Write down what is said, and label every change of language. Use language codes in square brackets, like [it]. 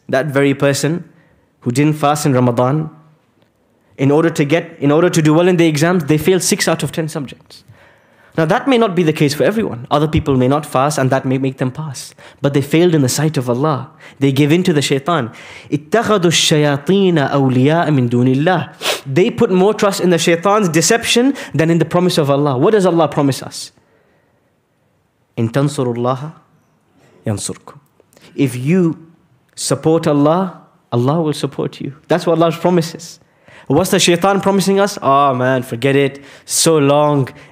[en] That very person who didn't fast in Ramadan, in order to do well in the exams, they failed 6 out of 10 subjects. Now that may not be the case for everyone. Other people may not fast and that may make them pass. But they failed in the sight of Allah. They give in to the shaitan. [ar] اتخذوا الشياطين أولياء من دون الله. [en] They put more trust in the shaitan's deception than in the promise of Allah. What does Allah promise us? [ar] إن تنصروا الله ينصركم. [en] If you support Allah, Allah will support you. That's what Allah promises. What's the shaitan promising us? Oh man, forget it. So long.